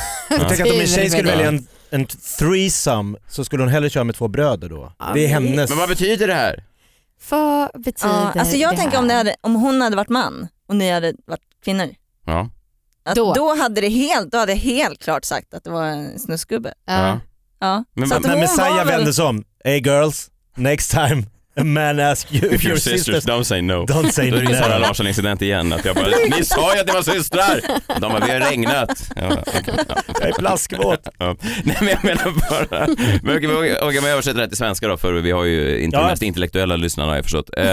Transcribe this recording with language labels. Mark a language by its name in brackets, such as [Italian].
[Swedish] Jag tänker att om en tjej skulle välja en threesome så skulle hon hellre köra med två bröder då. Det är hennes. Men vad betyder det här? Vad betyder alltså jag det tänker om, det hade, om hon hade varit man och ni hade varit kvinnor. Ja. Då hade jag helt klart sagt att det var en snusgubbe. Men Messiah vänder sig om. [English] Hey girls, next time a man asks you if you're sisters, don't say no. [Swedish] Det är Sara Larsson incident igen. Att jag bara, ni sa ju att det var systrar. De bara, vi har regnat. Ja, okay. Jag är plaskvåt. Ja. Nej, men jag menar bara. Men okej, okay, men jag översätter det till svenska då. För vi har ju inte mest intellektuella lyssnare, har jag förstått.